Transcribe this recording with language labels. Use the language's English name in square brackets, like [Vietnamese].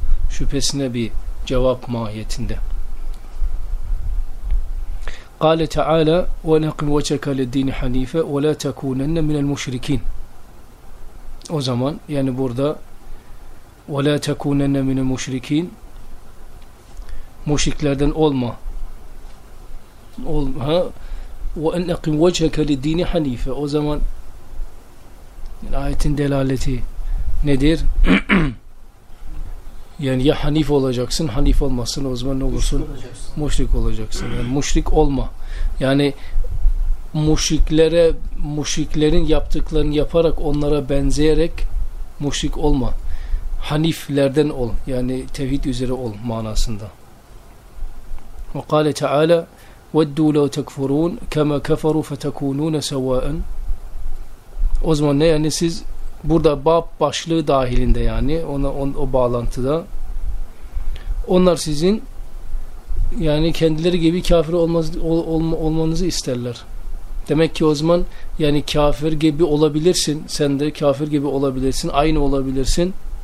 [Turkish] Şüphesine bir cevap mahiyetinde. [Arabic] قال تعالى ونقم وجهك للدين حنيفة ولا تكونن من المشركين. [Turkish] O zaman yani burada [Arabic] ولا تكونن من المشركين, [Turkish] müşriklerden olma. [Arabic] وَنَقِمْ وَجْهَكَ لِلدِّينِ حَنِيفَ. [Turkish] O zaman ayetin delaleti nedir? Yani ya hanif olacaksın, hanif olmasın, o zaman ne olursun? Müşrik olacaksın. Yani müşrik olma. Yani müşriklere, müşriklerin yaptıklarını yaparak onlara benzeyerek müşrik olma. Haniflerden ol. Yani tevhid üzere ol manasında. [Arabic] Ve kâle teâlâ وَدُّوا لَوْ تَكْفُرُونَ كَمَا كَفَرُوا فَتَكُونُونَ سَوَاءً. [Turkish] O zaman ne, yani siz burada bab başlığı dahilinde, yani ona, o bağlantıda onlar sizin yani kendileri gibi kafir olmanızı isterler. Demek ki o zaman yani kafir gibi olabilirsin, sen de kafir gibi olabilirsin, aynı olabilirsin.